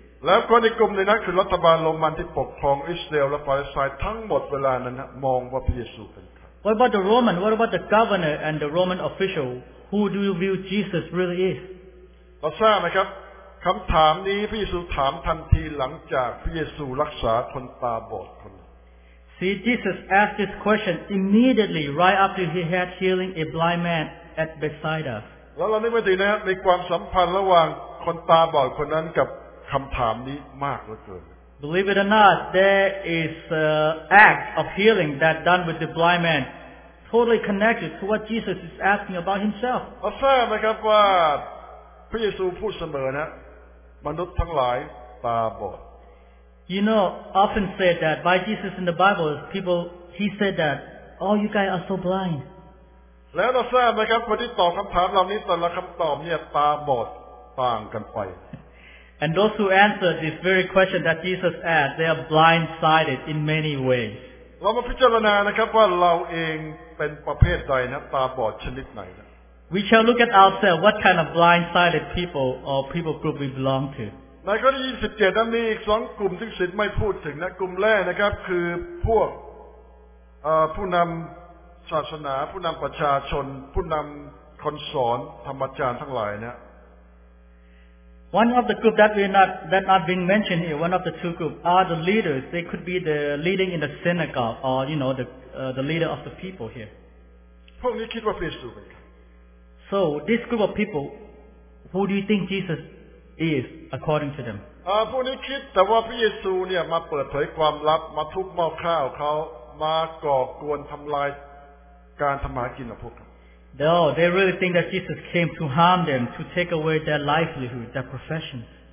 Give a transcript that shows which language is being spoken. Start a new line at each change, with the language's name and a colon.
Thai: แล้วคนในกลุ่มนี้นะคือรัฐบาลโรมันที่ปกครองอิสราเอลและปาเลสไตน์ทั้งหมดเวลานั้นนะมองว่าพระเยซูเป็นใคร
English: What about the Roman? What about the governor and the Roman official? Who do you view Jesus really is?
Thai: เราทราบนะครับคำถามนี้พระเยซูถามทันทีหลังจากพระเยซูรักษาคนตาบอดคน
English: See Jesus asked this question immediately right after he had healing a blind man at Bethsaida.
Thai: แล้วเราได้ไปดูนะครับในความสัมพันธ์ระหว่างคนตาบอดคนนั้นกับคำถามนี้มากเหลือเกิน
English: Believe it or not, there is act of healing that done with the blind man. Totally connected to what Jesus is asking about himself.
Thai: เราทราบไหมครับว่าพระเยซูพูดเสมอนะมนุษย์ทั้งหลายตาบอด
English: You know, often said that by Jesus in the Bible, people he said that all you guys are so blind.
Thai: แล้วเราทราบไหมครับคนที่ตอบคำถามเหล่านี้แต่ละคำตอบเนี่ยตาบอดต่างกันไป
English: And those who answered this very question that Jesus asked, they are blind-sided in many ways.
Thai: เรามาพิจารณานะครับว่าเราเองเป็นประเภทใดนะตาบอดชนิดไหนนะ
English: We shall look at ourselves what kind of blind-sided people or people group we belong to
Thai: ในข้อที่27นั้นมีอีก2กลุ่มที่ศิษย์ไม่พูดถึงนะกลุ่มแรกนะครับคือพวกผู้นำศาสนาผู้นำประชาชนผู้นำคนสอนธรรมจารย์ทั้งหลายเนี่ย
English: One of the group that we're not that not being mentioned here, one of the two groups are the leaders. They could be the leading in the synagogue or you know the leader of the people here.
Thai: พวกนี้คิดว่าพระเยซูเป็นใคร
English: So this group of people, who do you think Jesus is according to them?
Thai: พวกนี้คิดแต่ว่าพระเยซูเนี่ยมาเปิดเผยความลับมาทุบหม้อข้าวเขามาก่อกวนทำลายการทำมาหากินของพวกเขา
English: No, they really think that Jesus came to harm them, to take away their livelihood, their profession.